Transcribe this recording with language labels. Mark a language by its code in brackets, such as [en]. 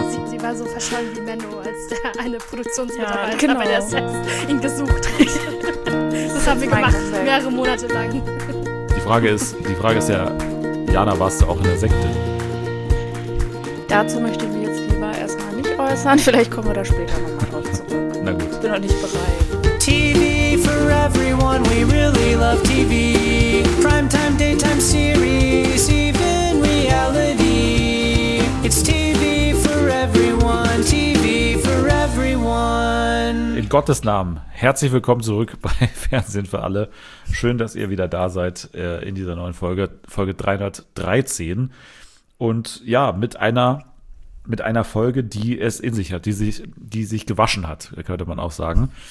[de] Sie war so verschollen wie Menno, als der eine Produktionsmitarbeiter bei der Sets ihn gesucht hat. Das haben wir gemacht, mehrere Monate lang. Die Frage ist ja, Jana, warst du auch in der Sekte? Dazu möchte ich mich jetzt lieber erstmal nicht äußern. Vielleicht kommen wir da später nochmal drauf zurück. Na gut. Bin noch nicht bereit. [en] TV for everyone, we really love TV. Primetime, daytime series, even reality. It's TV for everyone, TV for everyone. [de] In Gottes Namen, herzlich willkommen zurück bei Fernsehen für alle. Schön, dass ihr wieder da seid in dieser neuen Folge, Folge 313. Und ja, mit einer Folge, die es in sich hat, die sich gewaschen hat, könnte man auch sagen.